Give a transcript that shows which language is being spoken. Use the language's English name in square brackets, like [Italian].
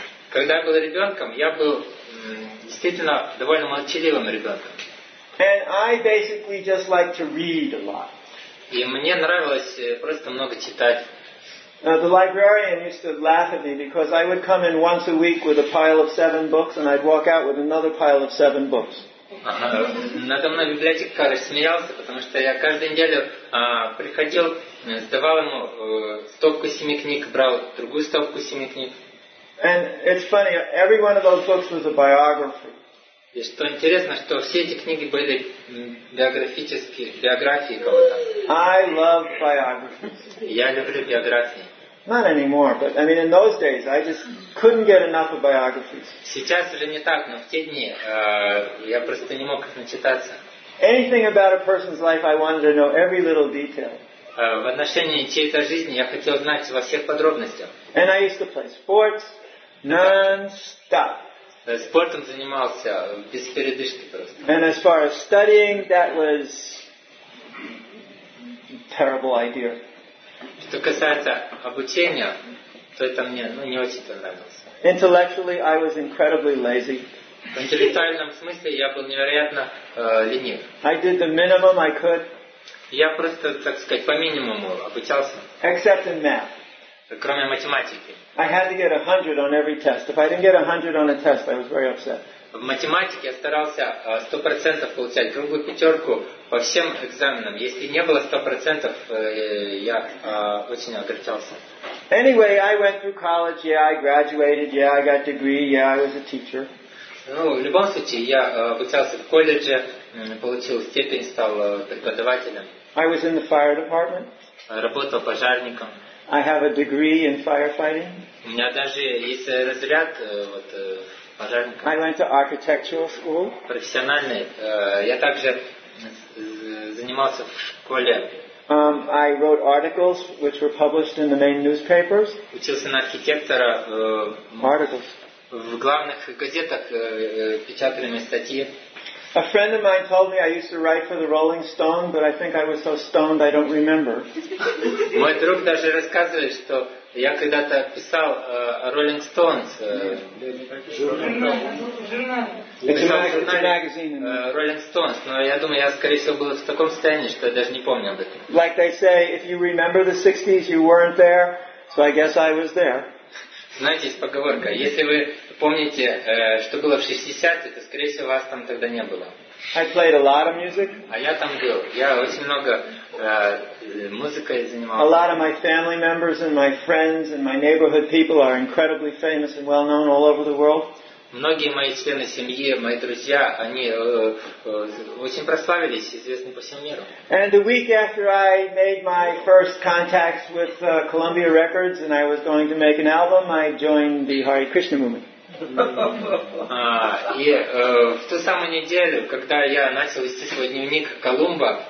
[Russian] Когда я был ребенком, я был действительно довольно молчаливым ребенком. [English] And I basically just liked to read a lot. [Russian] И мне нравилось просто много читать. [English] Now, the librarian used to laugh at me because I would come in once a week with a pile of 7 books and I'd walk out with another pile of 7 books. [Russian] Надо мной библиотекарь смеялся, потому что я каждую неделю приходил, сдавал ему стопку 7 книг, брал другую стопку 7 книг. [English] And it's funny, every one of those books was a biography. [Russian] И что интересно, что все эти книги были биографические, биографии кого-то. [English] I love biographies. [Russian] Я люблю биографии. [English] Not anymore, but I mean, in those days, I just couldn't get enough of biographies. [Russian] Сейчас уже не так, но в те дни я просто не мог начитаться. [English] Anything about a person's life, I wanted to know every little detail. [Russian] В отношении чьей-то жизни я хотел знать во всех подробностях. [English] And I used to play sports non-stop. [Russian] Спортом занимался без передышки просто. [English] And as far as studying, that was a terrible idea. [Russian] Что касается обучения, то это мне не очень-то нравилось. [English] Intellectually, I was incredibly lazy. [Russian] В интеллектуальном смысле я был невероятно ленив. [English] I did the minimum I could. [Russian] Я просто, так сказать, по минимуму обучался. [English] Except in math. [Russian] Кроме математики. [English] I had to get 100 on every test. If I didn't get 100 on a test, I was very upset. [Russian] В математике я старался 100% получать круглую пятерку по всем экзаменам. Если не было 100%, я очень огорчался. [English] Anyway, I went through college, yeah, I graduated, yeah, I got a degree, yeah, I was a teacher. [Russian] Ну, в любом случае, я обучался в колледже, получил степень, стал преподавателем. [English] I was in the fire department. [Russian] Работал пожарником. [English] I have a degree in firefighting. [Russian] У меня даже есть разряд вот пожарника. [English] I went to architectural school. [Russian] Профессиональный. Я также занимался в школе. [English] I wrote articles which were published in the main newspapers. [Russian] Учился на архитектора. [English] Articles. [Russian] В главных газетах печатали статьи. [English] A friend of mine told me I used to write for the Rolling Stone, but I think I was so stoned I don't remember. [Russian] Мой друг даже рассказывает, что я когда-то писал Rolling Stones. Rolling Stones, но я думаю, я скорее всего был в таком состоянии, что я даже не помню об этом. [English] Like they say, if you remember the 60s, you weren't there, so I guess I was there. [Russian] Знаете, есть поговорка, если вы помните, что было в 60-х, то, скорее всего, вас там тогда не было. [English] I played a lot of music. [Russian] А я там был. Я очень много музыкой занимался. [English] A lot of my family members and my friends and my neighborhood people are incredibly famous and well-known all over the world. [Russian] Многие мои члены семьи, мои друзья, они очень прославились, известны по всему миру. [English] And a week after I made my first contacts with Columbia Records and I was going to make an album, I joined the Hare Krishna movement. [Russian] И в ту самую неделю, когда я начал вести свой дневник Колумба,